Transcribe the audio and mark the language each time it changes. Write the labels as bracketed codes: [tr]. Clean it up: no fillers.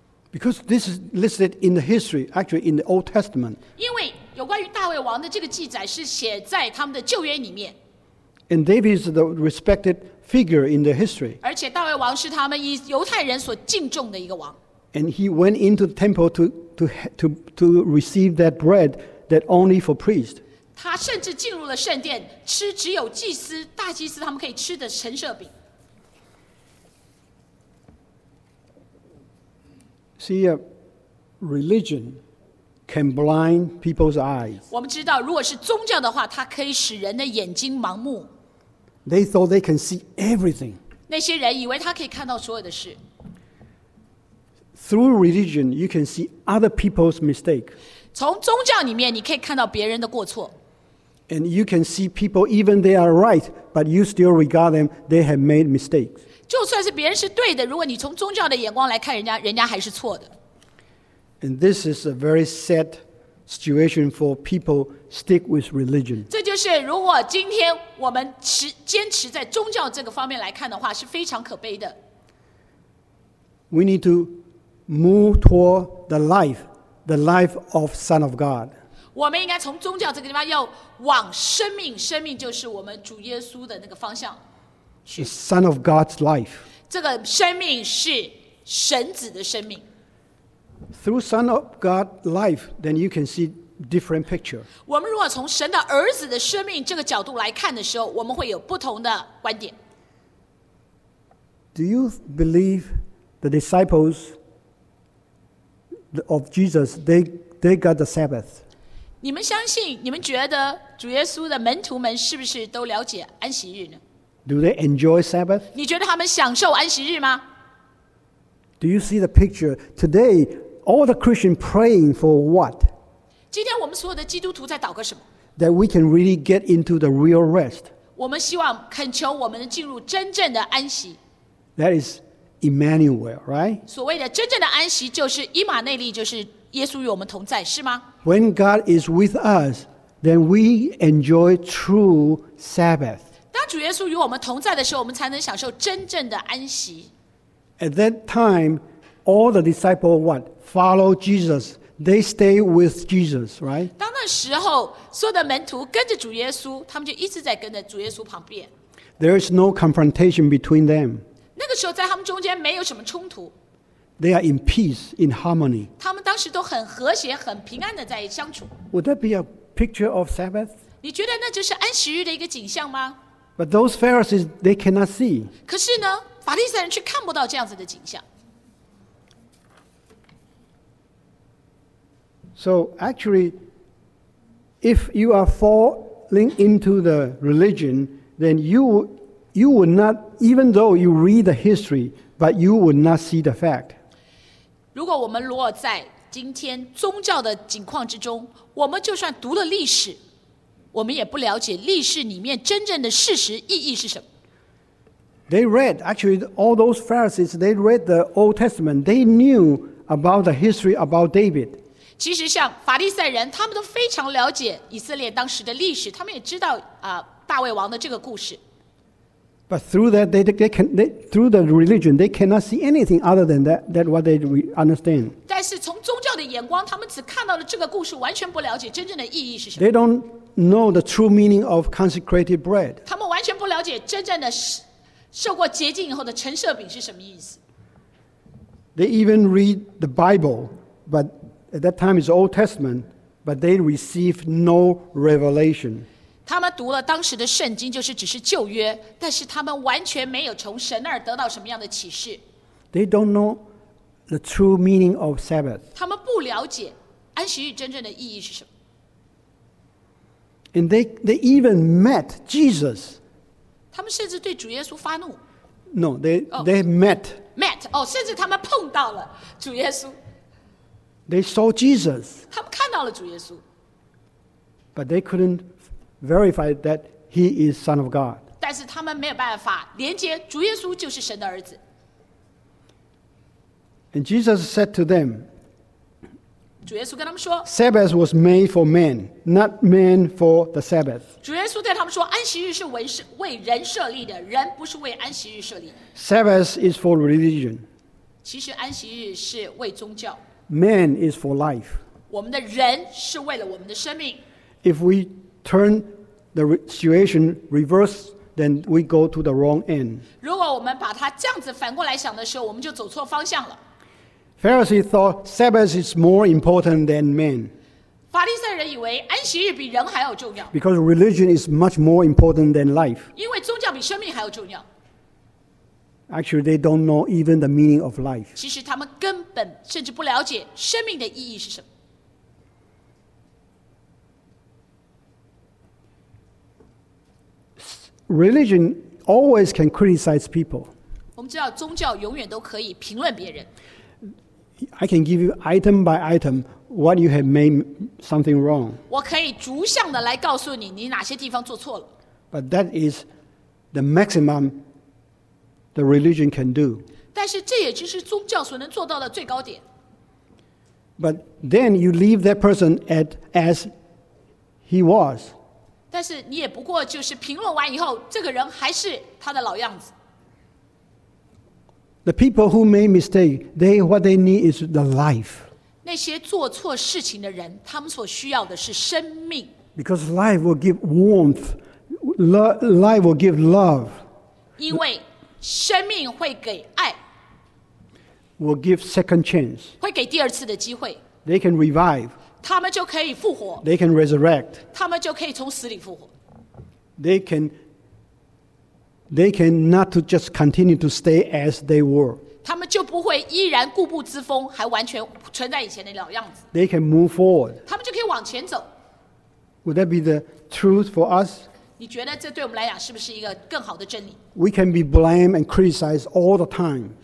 [en] Because this is listed in the history, actually in the Old Testament. [zh] 因为有关于大卫王的这个记载是写在他们的旧约里面。 [en] And David is the respected figure in the history. [zh] 而且大卫王是他们以犹太人所敬重的一个王。 [en] And he went into the temple to receive that bread that only for priests. [zh] 他甚至进入了圣殿，吃只有祭司、大祭司他们可以吃的陈设饼。 [en] See, religion can blind people's eyes. [zh] 我们知道，如果是宗教的话，它可以使人的眼睛盲目。 [en] They thought they can see everything. [zh] 那些人以为他可以看到所有的事。 [en] Through religion, you can see other people's mistake. [zh] 从宗教里面，你可以看到别人的过错。 [en] And you can see people, even they are right, but you still regard them, they have made mistakes. [zh] 就算是别人是对的，如果你从宗教的眼光来看人家，人家还是错的。 [en] And this is a very sad situation for people stick with religion. [zh] 这就是如果今天我们坚持在宗教这个方面来看的话，是非常可悲的。 [en] We need to move toward the life of Son of God. [zh] 我们应该从宗教这个地方要往生命就是我们主耶稣的那个方向。 [en] The Son of God's life. [zh] 这个生命是神子的生命。 [en] Through Son of God's life, then you can see different picture. [zh] 我们如果从神的儿子的生命这个角度来看的时候，我们会有不同的观点。 [en] Do you believe the disciples of Jesus, they got the Sabbath? [zh] 你们相信，你们觉得主耶稣的门徒们是不是都了解安息日呢？ [en] Do they enjoy Sabbath? [zh] 你觉得他们享受安息日吗？ [en] Do you see the picture? Today, all the Christians praying for what? [zh] 今天我们所有的基督徒在祷告什么？ [en] That we can really get into the real rest. [zh] 我们希望恳求我们进入真正的安息。 [en] That is Emmanuel, right? [zh] 所谓的真正的安息就是以马内利，就是耶稣与我们同在，是吗？ [en] When God is with us, then we enjoy true Sabbath. [zh] 当主耶稣与我们同在的时候，我们才能享受真正的安息。 [en] At that time, all the disciples what? Follow Jesus. They stay with Jesus, right? [zh] 当那时候，所有的门徒跟着主耶稣，他们就一直在跟着主耶稣旁边。 [en] There is no confrontation between them. [zh] 那个时候在他们中间没有什么冲突。 [en] They are in peace, in harmony. [zh] 他们当时都很和谐，很平安的在相处。 [en] Would that be a picture of Sabbath? [zh] 你觉得那就是安息日的一个景象吗？ [en] But those Pharisees, they cannot see. [zh] 可是呢，法利赛人却看不到这样子的景象。 [en] So actually, if you are falling into the religion, then you would not, even though you read the history, but you would not see the fact. [zh] 如果我们如果在今天宗教的境况之中，我们就算读了历史，我们也不了解历史里面真正的事实意义是什么。 [en] They read, actually, all those Pharisees, they read the Old Testament. They knew about the history about David. [zh] 其实像法利赛人，他们都非常了解以色列当时的历史，他们也知道大卫王的这个故事。 [en] But through that, through the religion, they cannot see anything other than that what they understand. [zh] 但是从宗教的眼光，他们只看到了这个故事，完全不了解真正的意义是什么。 [en] They don't know the true meaning of consecrated bread. [zh] 他们完全不了解真正的受过洁净以后的陈设饼是什么意思。 [en] They even read the Bible, but at that time it's Old Testament, but they received no revelation. [zh] 他们读了当时的圣经，就是只是旧约，但是他们完全没有从神那儿得到什么样的启示。 [en] They don't know the true meaning of Sabbath. [zh] 他们不了解安息日真正的意义是什么。 [en] And they even met Jesus. [zh] 他们甚至对主耶稣发怒。 [en] No, they met. [zh] Met, 哦，甚至他们碰到了主耶稣。 [en] They saw Jesus. [zh] 他们看到了主耶稣。 [en] But they couldn't verify that he is Son of God. [zh] 但是他们没有办法连接主耶稣就是神的儿子。 [en] And Jesus said to them, [zh] 主耶稣跟他们说， [en] Sabbath was made for man, not man for the Sabbath. [zh] 主耶稣对他们说，安息日是为人设立的，人不是为安息日设立的。 [en] Sabbath is for religion. [zh] 其实安息日是为宗教。 [en] Man is for life. [zh] 我们的人是为了我们的生命。 [en] If we turn the situation reverse, then we go to the wrong end. [zh] 如果我们把它这样子反过来想的时候，我们就走错方向了。 [en] Pharisees thought Sabbath is more important than man. [zh] 法利赛人以为安息日比人还要重要。 [en] Because religion is much more important than life. [zh] 因为宗教比生命还要重要。 [en] Actually, they don't know even the meaning of life. [zh] 其实他们根本甚至不了解生命的意义是什么。 [en] Religion always can criticize people. [zh] 我们知道宗教永远都可以评论别人。 [en] I can give you item by item what you have made something wrong. [zh] 我可以逐项的来告诉你你哪些地方做错了。 [en] But that is the maximum the religion can do. [zh] 但是这也就是宗教所能做到的最高点。 [en] But then you leave that person as he was. [zh] 但是你也不过就是评论完以后，这个人还是他的老样子。 [en] The people who made mistake, what they need is the life. [zh] 那些做错事情的人，他们所需要的是生命。 [en] Because life will give warmth, life will give love. [zh] 因为生命会给爱。 [en] Will give second chance. [zh] 会给第二次的机会。 [en] They can revive. [zh] 他们就可以复活。 [en] They can resurrect. [zh] 他们就可以从死里复活。 [en] They can not to just continue to stay as they were. [zh] 他们就不会依然固步自封，还完全存在以前的老样子。 [en] They can move forward. [zh] 他们就可以往前走。 [en] Would that be the truth for us? [zh] 你觉得这对我们来讲是不是一个更好的真理？ [en] We can be blamed and criticized all the time.